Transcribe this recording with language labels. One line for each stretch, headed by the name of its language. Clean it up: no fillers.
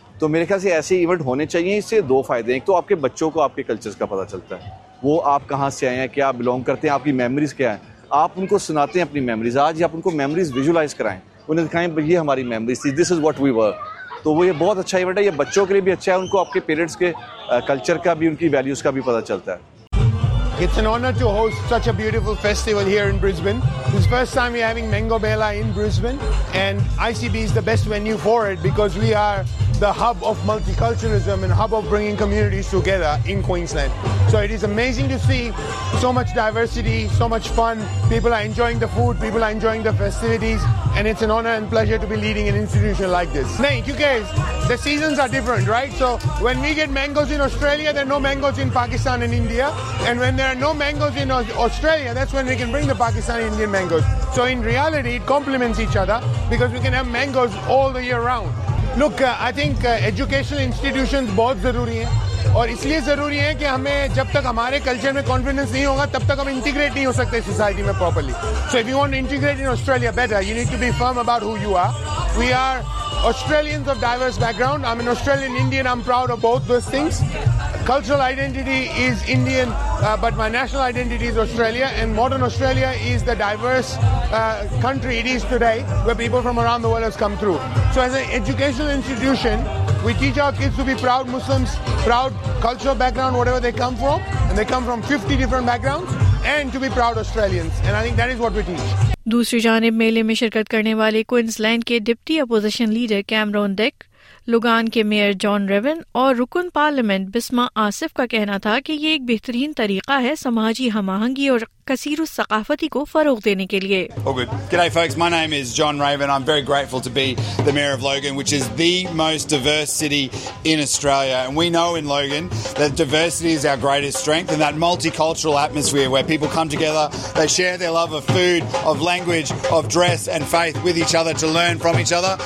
Urdu: تو میرے خیال سے ایسے ایونٹ ہونے چاہیے، اس سے دو فائدے ہیں۔ ایک تو آپ کے بچوں کو آپ کے کلچرز کا پتہ چلتا ہے، وہ آپ کہاں سے آئے ہیں، کیا بلانگ کرتے ہیں، آپ کی میموریز کیا ہیں، آپ ان کو سناتے ہیں اپنی میموریز۔ آج آپ ان کو میموریز ویژولائز کرائیں، انہیں دکھائیں یہ ہماری میموریز تھی،
English: This is what we were.
Urdu: تو وہ یہ بہت اچھا ایونٹ ہے، یہ بچوں کے لیے بھی اچھا ہے، ان کو آپ کے پیرنٹس کے کلچر کا بھی، ان کی ویلیوز کا بھی پتہ چلتا ہے۔
English: It's an honor to host such a beautiful festival here in Brisbane. It's the first time we're having Mango Mela in Brisbane, and ICB is the best venue for it because we are the hub of multiculturalism and hub of bringing communities together in Queensland. So it is amazing to see so much diversity, so much fun. People are enjoying the food, people are enjoying the festivities, and it's an honor and pleasure to be leading an institution like this. Thank you guys. The seasons are different, right? So when we get mangoes in Australia, there are no mangoes in Pakistan and India, and when there are no mangoes in Australia, that's when we can bring the Pakistani and Indian mangoes. So in reality, it complements each other because we can have mangoes all the year round. Look, I think educational institutions
Urdu: بہت ضروری ہیں، اور اس لیے ضروری ہے کہ ہمیں جب تک ہمارے کلچر میں کانفیڈنس نہیں ہوگا تب تک ہم انٹیگریٹ نہیں ہو سکتے سوسائٹی میں properly.
English: So if you want integrate in Australia better, you need to be firm about who you are. We are Australians of diverse background, I mean Australian Indian, I am proud of both those things. Cultural identity is Indian, but my national identity is Australia, and modern Australia is the diverse country it is today where people from around the world has come through. So as a educational institution we teach our kids to be proud Muslims, proud cultural background whatever they come from, and they come from 50 different backgrounds, and to be proud Australians, and I think that is what we teach.
Urdu: دوسری جانب، میلے میں شرکت کرنے والے Queens land کے deputy opposition leader Cameroon deck, لوگان کے mayor جان ریون اور رکن پارلیمنٹ بسما آصف کا کہنا تھا کہ یہ ایک بہترین طریقہ ہے سماجی ہم آہنگی اور کثیر الثقافتی کو فروغ دینے کے لیے۔
English: G'day folks, my name is John Raven. I'm very grateful to be the mayor of Logan, which is the most diverse city in Australia. And we know in Logan that diversity is our greatest strength, and that multicultural atmosphere where people come together, they share their love of food, of language, of dress and faith with each other to learn from each other.